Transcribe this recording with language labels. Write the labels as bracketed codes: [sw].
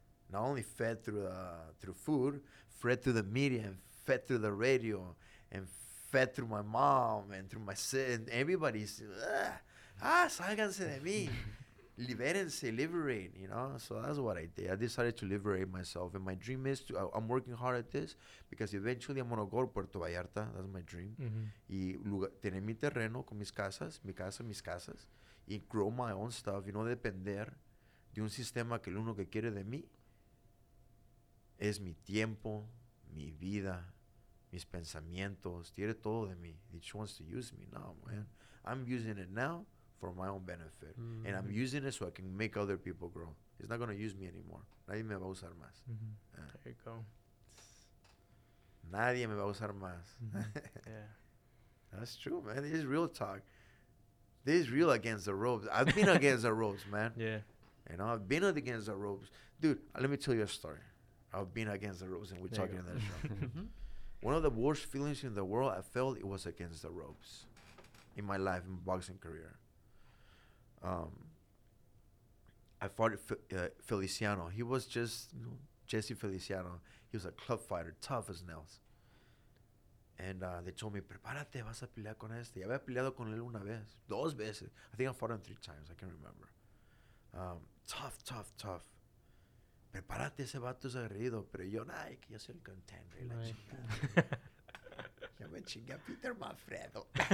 [en] Not only fed through food, fed through the media, and fed through the radio, and fed through my mom, and through my sister, and everybody's, [es] salganse de mí. Liberense, [en] liberate, you know? So that's what I did. I decided to liberate myself. And my dream is to, I'm working hard at this, because eventually I'm going to go to Puerto Vallarta. That's my dream. Mm-hmm. [es] Y lugar, tener mi terreno con mis casas, mi casa, mis casas, y [en] grow my own stuff, [es] y no depender de un sistema que el uno que quiere de mí, es mi tiempo, mi vida, mis pensamientos. Tiene todo de mí. [en] It just wants to use me. No, man. I'm using it now for my own benefit. Mm-hmm. And I'm using it so I can make other people grow. It's not going to use me anymore. [es] Nadie me va a usar más. [en] Mm-hmm. There you go. [es] Nadie me va a usar más. [en] Mm-hmm. Yeah. That's true, man. This is real talk. This is real against the ropes. I've been against the ropes, man. Yeah. You know, I've been against the ropes. Dude, let me tell you a story. Of being against the ropes, and we're there talking in that show. One of the worst feelings in the world I felt it was against the ropes in my life, in my boxing career. I fought Feliciano. He was just, you know, Jesse Feliciano. He was a club fighter, tough as nails. And they told me, [es] prepárate, vas a pelear con este. Ya había peleado con él una vez, dos veces. [en] I think I fought him 3 times, I can't remember. [es] Tough. Prepárate, ese vato es aguerrido. Pero yo, ay, que yo soy el contender. La right. chingada. Yo me chingué a Peter Manfredo.